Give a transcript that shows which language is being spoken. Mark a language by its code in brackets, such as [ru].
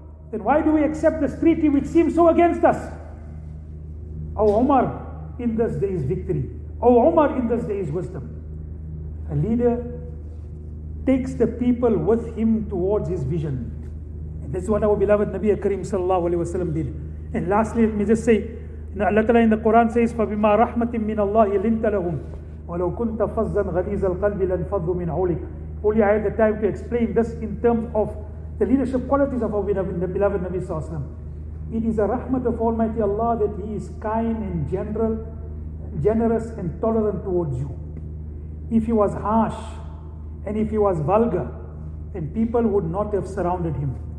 [en] Then why do we accept this treaty which seems so against us? Oh Umar, in this day is victory. Oh Umar, in this day is wisdom. A leader takes the people with him towards his vision. And this is what our beloved Nabi Karim Sallallahu Alaihi Wasallam did. [ar] And lastly, let me just say, Allah Ta'ala in the Quran says, فَبِمَا رَحْمَةٍ مِّنَ اللَّهِ لِنْتَ لَهُمْ وَلَوْ كُنْتَ فَزًّا غَلِيزَ الْقَلْبِ لَنْفَضُّ مِنْ حَوْلِكَ. [en] Only I had the time to explain this in terms of the leadership qualities of our beloved Nabi Sallallahu Alaihi Wasallam. It is a rahmat of Almighty Allah that He is kind and generous and tolerant towards you. If He was harsh and if He was vulgar, then people would not have surrounded Him.